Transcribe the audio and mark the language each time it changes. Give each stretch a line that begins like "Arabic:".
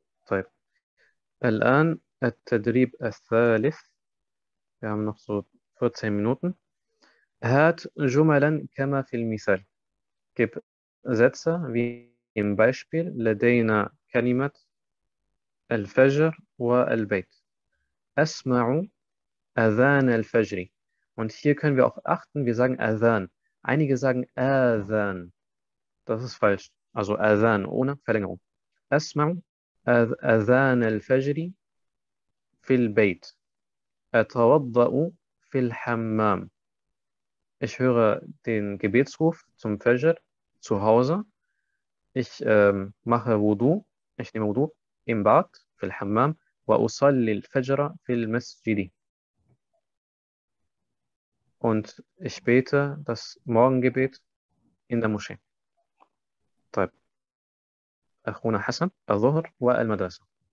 Arabic: طيب الآن التدريب الثالث،
German: wir haben noch so 14 Minuten.
Arabic: هات جملا كما في المثال.
German: Gib Sätze wie im Beispiel.
Arabic: لدينا كلمة الفجر والبيت. أسمع أذان الفجر.
German: Und hier können wir auch achten, wir sagen أذان. Einige sagen أذان. Das ist falsch. Also أذان ohne Verlängerung.
Arabic: أسمع أذان الفجر في البيت. أتوضأ في الحمام.
German: Ich höre den Gebetsruf zum Fajr zu Hause. Ich mache Wudu. Ich nehme Wudu im Bad,
Arabic: في الحمام. وأصلي الفجر في المسجد.
German: Und ich bete das Morgengebet in der Moschee.
Arabic: طيب. أخونا حسن، الظهر والمدرسة.